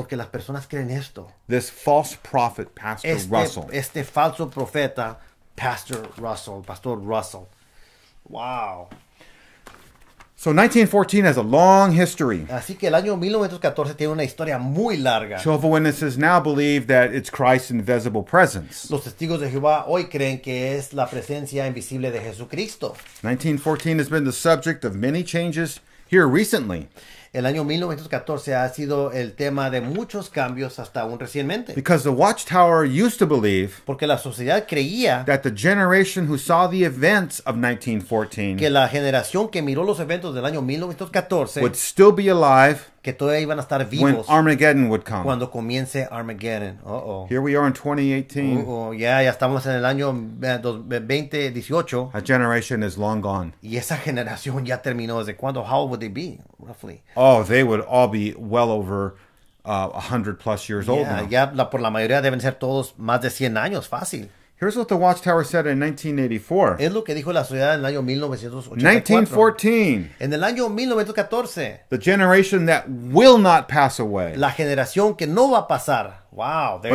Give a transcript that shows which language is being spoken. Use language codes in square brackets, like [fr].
[es] Porque las personas creen esto. [en] This false prophet, Pastor Russell. [es] Este falso profeta, Pastor Russell, Pastor Russell. Wow. [en] So 1914 has a long history. [es] Así que el año 1914 tiene una historia muy larga. [en] Jehovah's Witnesses now believe that it's Christ's invisible presence. [es] Los testigos de Jehová hoy creen que es la presencia invisible de Jesucristo. [en] 1914 has been the subject of many changes here recently. [es] El año 1914 ha sido el tema de muchos cambios hasta aún recientemente. [en] Because the Watchtower used to believe, [es] porque la sociedad creía, [en] that the generation who saw the events of 1914, [es] que la generación que miró los eventos del año 1914, [en] would still be alive, [es] que todavía iban a estar vivos, [en] when Armageddon would come. [es] Cuando comience Armageddon. Uh-oh. [en] Here we are in 2018. [es] Ya estamos en el año 2018. [en] A generation is long gone. [es] Y esa generación ya terminó. ¿Desde cuándo? [en] How old would they be, roughly? Oh, they would all be well over 100 plus years old now. [es] Ya por la mayoría deben ser todos más de 100 años, fácil. [en] Here's what the Watchtower said in 1984. [es] Es lo que dijo la sociedad en el año 1984. [en] 1914. [es] En el año 1914. [en] The generation that will not pass away. [es] La generación que no va a pasar. Wow. There